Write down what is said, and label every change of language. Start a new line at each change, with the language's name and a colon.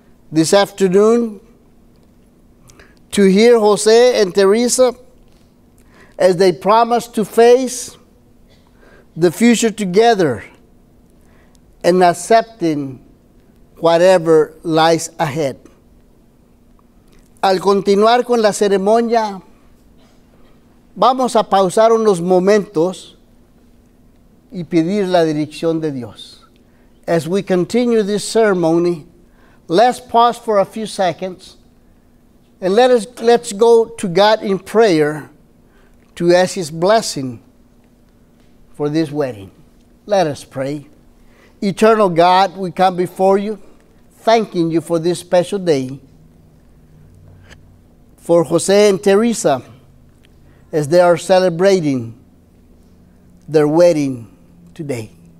English: this afternoon to hear Jose and Teresa as they promise to face the future together and accepting whatever lies ahead.
Spanish: Al continuar con la ceremonia, vamos a pausar unos momentos y pedir la dirección de Dios.
English: As we continue this ceremony, let's pause for a few seconds and let's go to God in prayer to ask His blessing for this wedding. Let us pray. Eternal God, we come before you, thanking you for this special day, for Jose and Teresa, as they are celebrating their wedding today.